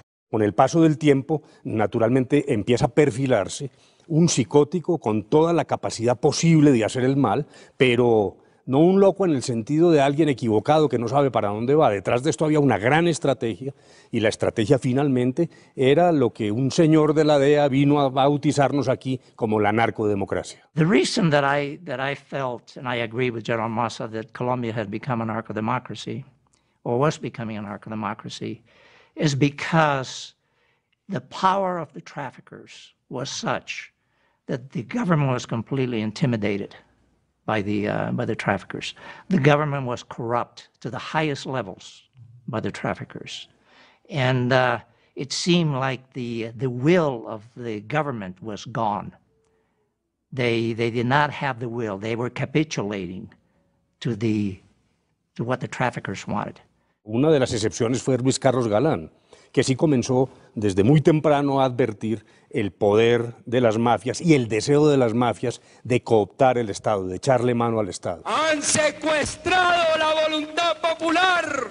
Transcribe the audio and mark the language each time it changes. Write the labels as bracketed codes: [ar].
[es] Con el paso del tiempo, naturalmente, empieza a perfilarse un psicótico con toda la capacidad posible de hacer el mal, pero no un loco en el sentido de alguien equivocado que no sabe para dónde va. Detrás de esto había una gran estrategia, y la estrategia finalmente era lo que un señor de la DEA vino a bautizarnos aquí como la narcodemocracia. [en] The reason that I felt, and I agree with General Massa, that Colombia had become a narcodemocracy, or was becoming a narcodemocracy, is because the power of the traffickers was such that the government was completely intimidated by the traffickers. The government was corrupt to the highest levels by the traffickers. And it seemed like the will of the government was gone. They did not have the will. They were capitulating to what the traffickers wanted. [es] Una de las excepciones fue Luis Carlos Galán, que sí comenzó desde muy temprano a advertir el poder de las mafias y el deseo de las mafias de cooptar el Estado, de echarle mano al Estado. ¡Han secuestrado la voluntad popular!